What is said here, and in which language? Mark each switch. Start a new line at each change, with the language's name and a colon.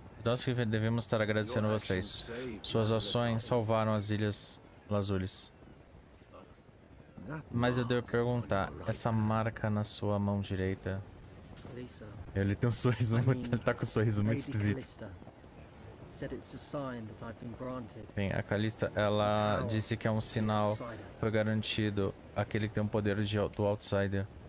Portuguese: Nós que devemos estar agradecendo a vocês. Suas ações salvaram as Ilhas Lazules. Mas eu devo perguntar, essa marca na sua mão direita... Ele tem um sorriso muito... Ele tá com um sorriso muito esquisito.
English: said it's a sign that I've been granted.
Portuguese: Bem, a Calista, ela disse que é um sinal, foi garantido aquele que tem o poder de do outsider.